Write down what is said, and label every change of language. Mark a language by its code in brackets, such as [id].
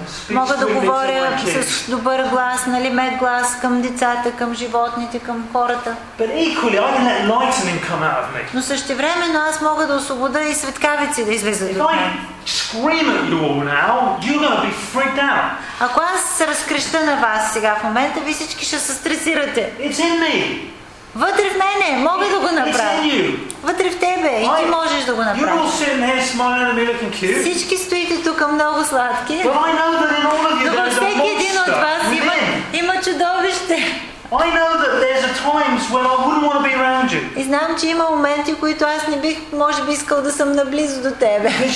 [bg] Мога да говоря с добър глас, нали, мек глас към децата, към животните, към хората. [en] But equally, I can let lightning come out of me. [bg] Но същевременно аз мога да освобода и светкавици да излизат от мен. [en] Scream at you all now, you're gonna be freaked out. [bg] Ако аз се разкреща на вас сега в момента, ви всички ще се стресирате. [en] It's in me. [bg] Вътре в мене, мога да го направя. [en] It's in you. [bg] Вътре в тебе и ти можеш да го направиш. [en] You're all sitting there smiling at me looking cute. [bg] Всички стоите тук много сладки. [en] But I know that in all of you there's a monster. [bg] Има чудовище. [en] I know that there's a times when I wouldn't want to be around you. [bg] И знам, че има моменти, които аз не бих, може би, искал да съм наблизо до тебе.